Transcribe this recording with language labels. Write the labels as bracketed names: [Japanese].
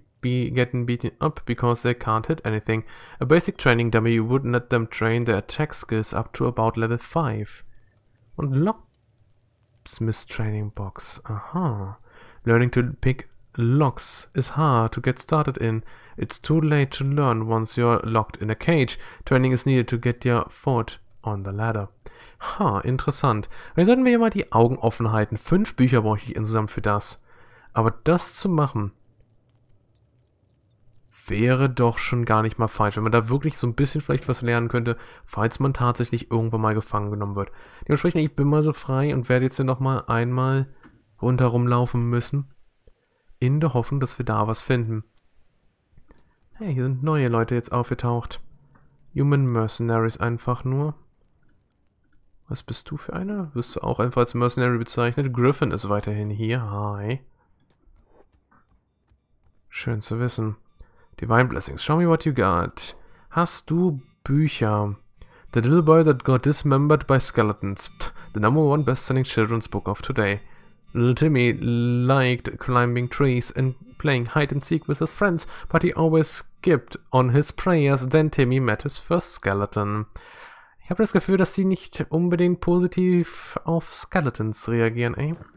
[English] Getting beaten up because they can't hit anything. A basic training dummy, you wouldn't let them train their attack skills up to about level 5. Und Lock. Smith Training Box. Aha. Learning to pick locks is hard to get started in. It's too late to learn once you're locked in a cage. Training is needed to get your foot on the ladder. [German] Ha, interessant. Vielleicht sollten wir hier mal die Augen offen halten. 5 Bücher bräuchte ich insgesamt für das. Aber das zu machen, wäre doch schon gar nicht mal falsch, wenn man da wirklich so ein bisschen vielleicht was lernen könnte, falls man tatsächlich irgendwann mal gefangen genommen wird. Dementsprechend, ich bin mal so frei und werde jetzt hier nochmal einmal rundherum laufen müssen, in der Hoffnung, dass wir da was finden. Hey, hier sind neue Leute jetzt aufgetaucht. Human Mercenaries einfach nur. Was bist du für einer? Wirst du auch einfach als Mercenary bezeichnet? Griffin ist weiterhin hier. Hi. Schön zu wissen. [English] Divine Blessings, show me what you got. [German] Hast du Bücher? [English] The little boy that got dismembered by skeletons. The number one best-selling children's book of today. Little Timmy liked climbing trees and playing hide and seek with his friends, but he always skipped on his prayers. Then Timmy met his first skeleton. [German] Ich habe das Gefühl, dass sie nicht unbedingt positiv auf Skeletons reagieren, ey.